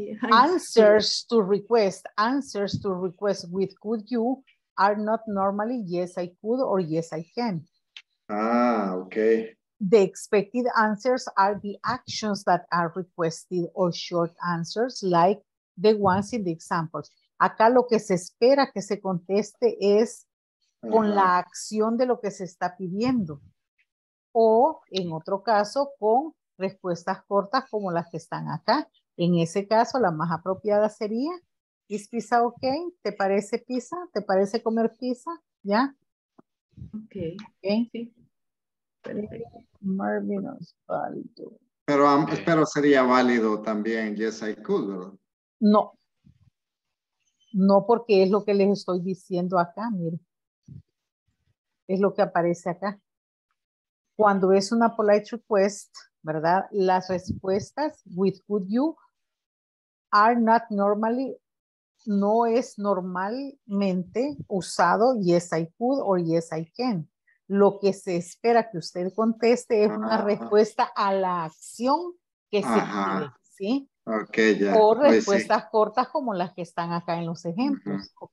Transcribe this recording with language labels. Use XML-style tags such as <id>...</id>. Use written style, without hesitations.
<en>Answers to request with could you are not normally yes, I could or yes, I can. Ah, okay. The expected answers are the actions that are requested or short answers like the ones in the examples.</en> <es>Acá lo que se espera que se conteste es con la acción de lo que se está pidiendo. O en otro caso, con respuestas cortas como las que están acá. En ese caso, la más apropiada sería,</es> <en>¿is pizza okay?</en> <es>¿Te parece pizza? ¿Te parece comer pizza? ¿Ya? Ok. Okay. Sí. Marvinos, válido. Pero, okay. Pero sería válido también,</es> <en>yes, I could,</en> <es>¿verdad? No. No, porque es lo que les estoy diciendo acá, miren. Es lo que aparece acá. Cuando es una polite request, ¿verdad? Las respuestas</es> <en>with could you are not normally,</en> <es>no es normalmente usado</es> <en>yes I could or yes I can.</en> <es>Lo que se espera que usted conteste es una respuesta a la acción que se pide, ¿sí? Okay, ya. O respuestas cortas como las que están acá en los ejemplos, ¿ok?</es>